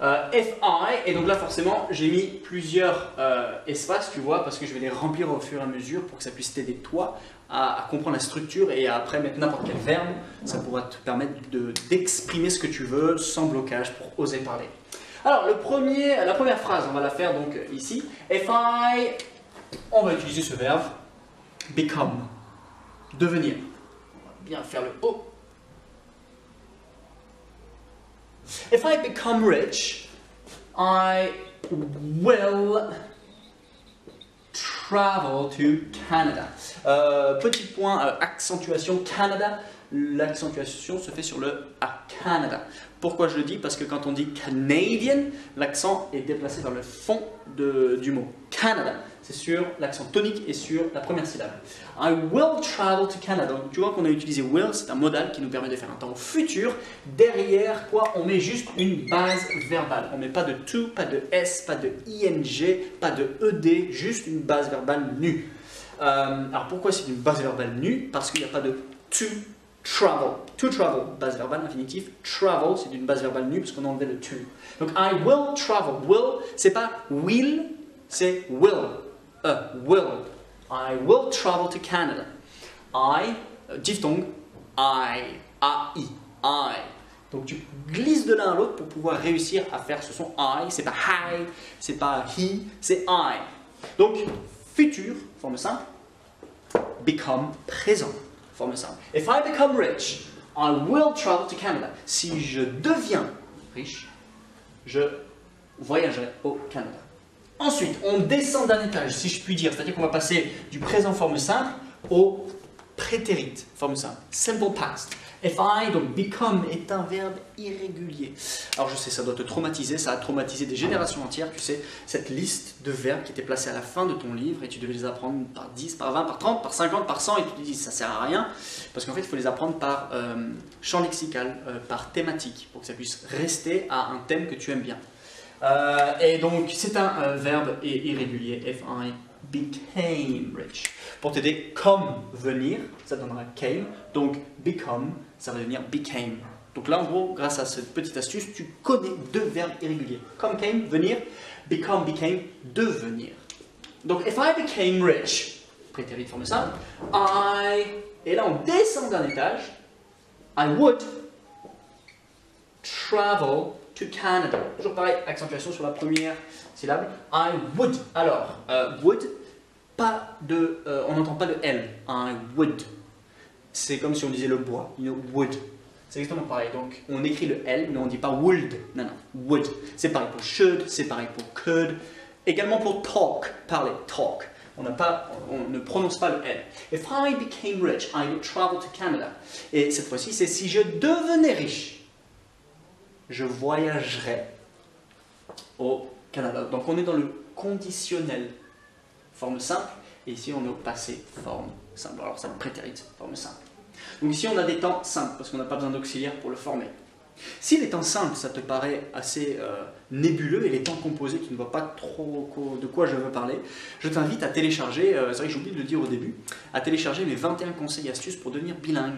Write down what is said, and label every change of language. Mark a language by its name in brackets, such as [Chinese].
[French] F-I, et donc là forcément j'ai mis plusieurs espaces, tu vois, parce que je vais les remplir au fur et à mesure pour que ça puisse t'aider toi à comprendre la structure et à après mettre n'importe quel verbe, ça pourra te permettre d'exprimer ce que tu veux sans blocage pour oser parler. Alors la première phrase, on va la faire donc ici, F-I, on va utiliser ce verbe, become, devenir. On va bien faire le O. [English] If I become rich, I will travel to Canada. [French] Petit point, accentuation, Canada. L'accentuation se fait sur le A, Canada. Pourquoi je le dis? Parce que quand on dit Canadian, l'accent est déplacé vers le fond du mot. Canada, c'est sur l'accent tonique et sur la première syllabe. [English] I will travel to Canada. [French] Donc, tu vois qu'on a utilisé will, c'est un modal qui nous permet de faire un temps futur. Derrière quoi, on met juste une base verbale. On ne met pas de to, pas de s, pas de ing, pas de ed, juste une base verbale nue. Alors pourquoi c'est une base verbale nue? Parce qu'il n'y a pas de to. Travel, to travel, base verbale infinitif, travel, c'est d'une base verbale nue parce qu'on a enlevé le to. Donc, [English] I will travel, [French] will, c'est pas will, c'est will, will. [English] I will travel to Canada. I, diphtongue, I, A-I, I. [French] Donc, tu glisses de l'un à l'autre pour pouvoir réussir à faire ce son I, c'est pas I, c'est pas he, c'est I. Donc, futur, forme simple, become, présent. Forme simple. [English] If I become rich, I will travel to Canada. [French] Si je deviens riche, je voyagerai au Canada. Ensuite, on descend d'un étage, si je puis dire. C'est-à-dire qu'on va passer du présent forme simple au prétérite forme simple. Simple past. [English] If I, [French] donc become, est un verbe irrégulier. Alors je sais, ça doit te traumatiser, ça a traumatisé des générations entières, tu sais, cette liste de verbes qui étaient placés à la fin de ton livre et tu devais les apprendre par 10, par 20, par 30, par 50, par 100 et tu te dis ça sert à rien parce qu'en fait il faut les apprendre par champ lexical, par thématique pour que ça puisse rester à un thème que tu aimes bien. Et donc c'est un verbe irrégulier, [English] if I became rich. [French] Pour t'aider, come, venir, ça donnera came, donc become, ça va devenir became. Donc là, en gros, grâce à cette petite astuce, tu connais deux verbes irréguliers. Come, came, venir, become, became, devenir. Donc, [English] if I became rich, [French] prétérite forme simple, I, et là on descend d'un étage, [English] I would travel to Canada. [French] Toujours pareil, accentuation sur la première syllabe, [English] I would. [French] Alors, would, pas de, on n'entend pas de L, I would. C'est comme si on disait le bois, [English] you know, [French] would. C'est exactement pareil, donc on écrit le L, mais on ne dit pas would, non, non, would. C'est pareil pour should, c'est pareil pour could, également pour talk, parler, talk. On ne prononce pas le L. [English] If I became rich, I would travel to Canada. [French] Et cette fois-ci, c'est si je devenais riche, je voyagerais au Canada. Donc on est dans le conditionnel. forme simple, et ici on est au passé, forme simple. Alors ça, prétérite, forme simple. Donc ici on a des temps simples, parce qu'on n'a pas besoin d'auxiliaire pour le former. Si les temps simples, ça te paraît assez nébuleux, et les temps composés, tu ne vois pas trop de quoi je veux parler, je t'invite à télécharger, c'est vrai que j'ai oublié de le dire au début, à télécharger mes 21 conseils et astuces pour devenir bilingue.